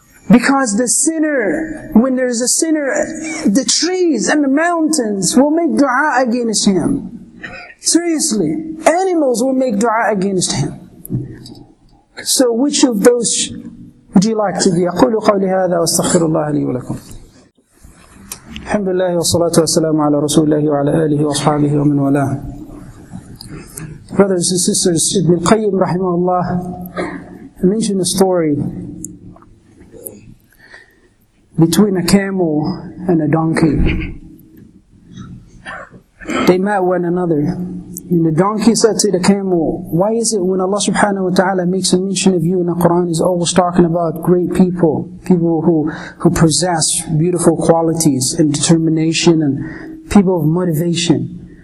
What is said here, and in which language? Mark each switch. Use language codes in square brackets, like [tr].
[en] Because the sinner, when there is a sinner, the trees and the mountains will make dua against him. Seriously, animals will make dua against him. So which of those would you like to be? [ar] أقول قولي هذا واستغفر الله لي ولكم. الحمد لله والصلاة والسلام على رسول الله وعلى آله وأصحابه ومن والاه. [en] Brothers and sisters, Ibn Qayyim رحمه الله mentioned a story between a camel and a donkey. They met one another. And the donkey said to the camel, why is it when Allah subhanahu wa ta'ala makes a mention of you in the Quran, he's always talking about great people, people who possess beautiful qualities and determination and people of motivation.